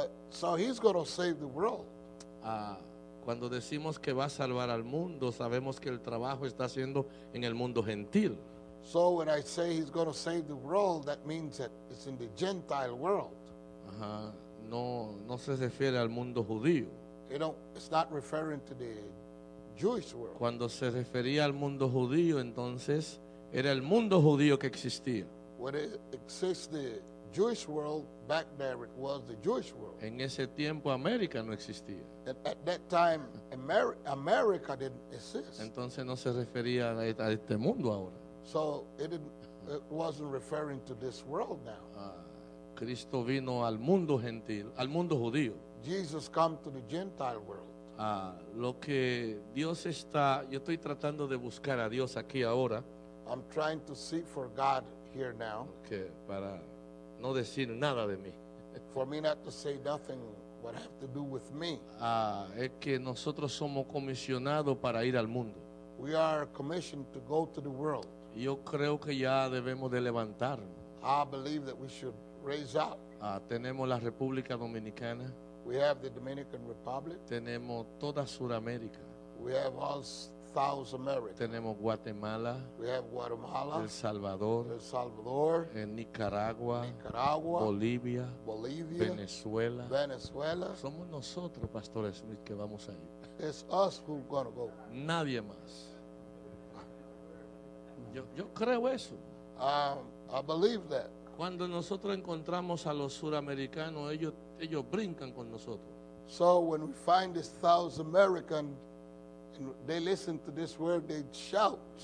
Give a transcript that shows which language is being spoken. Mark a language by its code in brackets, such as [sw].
[en] So he's going to save the world. [es] Cuando decimos que va a salvar al mundo, sabemos que el trabajo está haciendo en el mundo gentil. [en] So when I say he's going to save the world, that means that it's in the Gentile world. [es] No se refiere al mundo judío. [en] You know, it's not referring to the Jewish world. [es] Cuando se refería al mundo judío, entonces era el mundo judío que existía. [en] When it exists the Jewish world, back there it was the Jewish world. [es] En ese tiempo América no existía. [en] At that time America didn't exist. [es] Entonces no se refería a este mundo ahora. [en] So it wasn't referring to this world now. [es] Cristo vino al mundo gentil, al mundo judío. [en] Jesus came to the Gentile world. [es] Lo que Dios está, yo estoy tratando de buscar a Dios aquí ahora. [en] I'm trying to seek for God here now. [es] Okay, para no decir nada de mí. [en] For me not to say nothing what have to do with me. [es] Es que nosotros somos comisionados para ir al mundo. [en] We are commissioned to go to the world. [es] Yo creo que ya debemos de levantarnos. [en] I believe that we should raise up. [es] Tenemos la República Dominicana. [en] We have the Dominican Republic. [es] Tenemos toda Sudamérica. [en] We have all South America. [es] Tenemos Guatemala. [en] We have Guatemala. [es] El Salvador. [en] El Salvador. [es] En Nicaragua. [en] Nicaragua. [es] Bolivia. [en] Bolivia. [es] Venezuela. [en] Venezuela. [es] Somos nosotros, Pastor Smith, que vamos a ir. [en] It's us who's gonna go. [es] Nadie más. Yo creo eso. [en] I believe that. [es] Cuando nosotros encontramos a los suramericanos, ellos brincan con nosotros. [en] So when we find this South American, they listen to this word, they shout.